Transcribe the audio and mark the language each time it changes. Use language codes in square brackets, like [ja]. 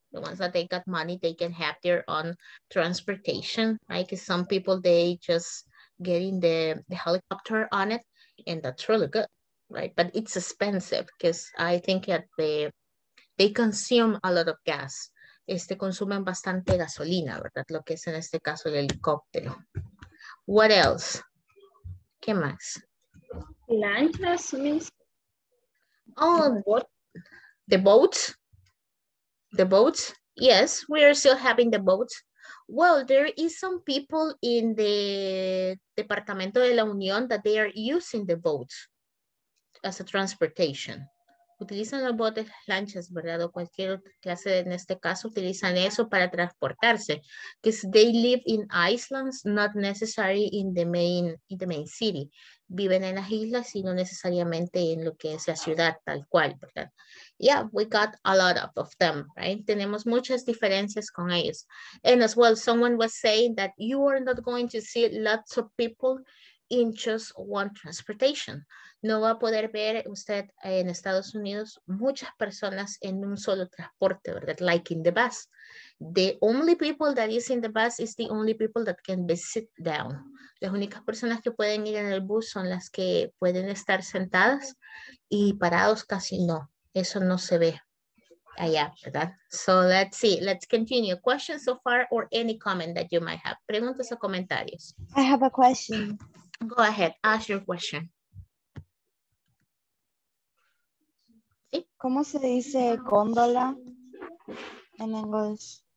[en] The ones that they got money, they can have their own transportation, right? Because some people, they just getting the helicopter on it, and that's really good. Right, but it's expensive because I think that they consume a lot of gas. [es] Consumen bastante gasolina, ¿verdad? Lo que es en este caso el helicóptero. [en] What else? [es] ¿Qué más? Lanchas, miss. [en] Oh, what? The boats? Yes, we are still having the boats. Well, there is some people in the Departamento de la Unión that they are using the boats as a transportation, [es] utilizan los botes, lanchas, ¿verdad? O cualquier otra clase, en este caso, utilizan eso para transportarse. [en] Because they live in islands, not necessarily in the main city. [es] Viven en las islas, sino necesariamente en lo que es la ciudad, tal cual, ¿verdad? [en] Yeah, we got a lot of them, right? [es] Tenemos muchas diferencias con ellos. [en] And as well, someone was saying that you are not going to see lots of people in just one transportation. [es] No va a poder ver usted en Estados Unidos muchas personas en un solo transporte, ¿verdad? [en] Like in the bus. The only people that is in the bus is the only people that can be sit down. [es] Las únicas personas que pueden ir en el bus son las que pueden estar sentadas y parados casi no. Eso no se ve allá, ¿verdad? [en] So let's see, let's continue. Questions so far or any comment that you might have. [es] Preguntas o comentarios. [en] I have a question. Go ahead, ask your question. [es] ¿Cómo se dice góndola en inglés?